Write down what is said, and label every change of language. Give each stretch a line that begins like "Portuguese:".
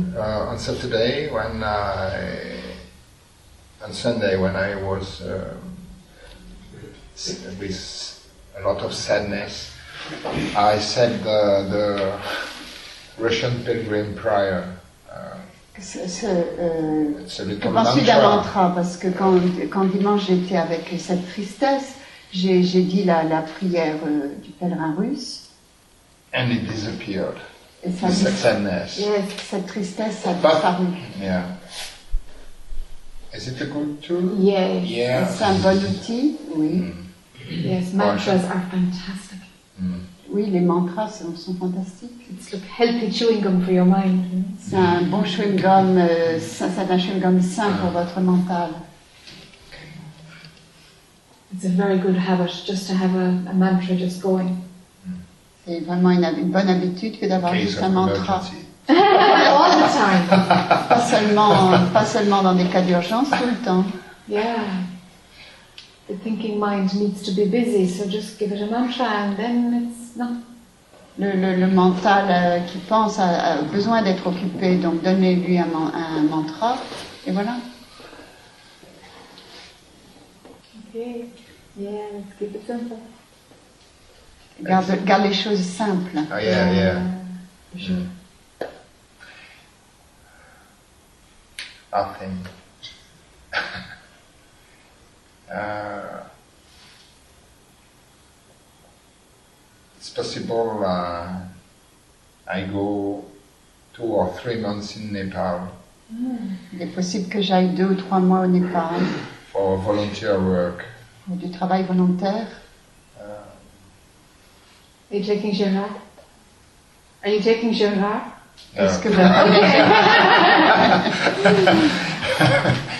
English: On Saturday, on Sunday, when I was with a lot of sadness, I said the Russian pilgrim prayer.
French: C'est un mantra parce que quand dimanche j'étais avec cette tristesse, j'ai dit la prière du pèlerin russe.
English: And it disappeared. Sadness.
French: Yes, cette tristesse a disparu.
English: Yeah. Is it a good tool? Yes. Yeah.
French: C'est un bon outil, oui.
English: Mm. Yes, mantras are fantastic.
French: Mm. Oui, les mantras sont fantastiques.
English: It's a healthy chewing gum for your mind. Mm.
French: C'est un bon chewing gum, c'est un chewing gum sain pour votre mental.
English: It's a very good habit just to have a mantra just going.
French: C'est vraiment une bonne habitude que d'avoir juste un mantra.
English: All the time.
French: Pas seulement dans des cas d'urgence, tout le temps.
English: Yeah. The thinking mind needs to be busy, so just give it a mantra and then it's not
French: le mental qui pense a besoin d'être occupé, donc donnez-lui un mantra, et voilà.
English: Okay. Yeah, keep it
French: garde les choses simples.
English: Oh, yeah, yeah. I think it's possible I go 2 or 3 months in Nepal.
French: Il est possible que j'aille 2 ou 3 mois au Népal.
English: For volunteer work.
French: Du travail volontaire.
English: Are you taking Gérard? No.
French: Est-ce que vous avez...